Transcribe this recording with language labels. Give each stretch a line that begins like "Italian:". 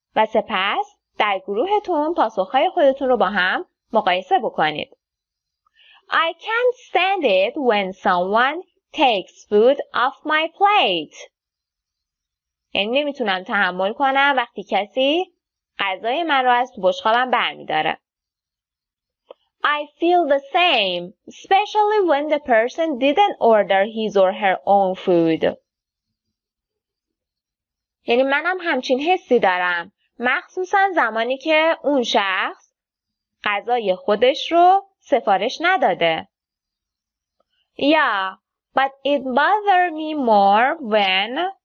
Persian: و سپس در گروهتون پاسخهای خودتون رو با هم مقایسه بکنید.
English: I can't stand it when someone takes food off my plate.
Persian: یعنی نمیتونم تحمل کنم وقتی کسی غذای من رو از تو بشقابم برمیداره.
English: I feel the same, especially when the person didn't order his or her own food.
Persian: یعنی منم همچین حسی دارم، مخصوصا زمانی که اون شخص غذای خودش رو سفارش نداده.
English: Yeah, but it bothered me more when...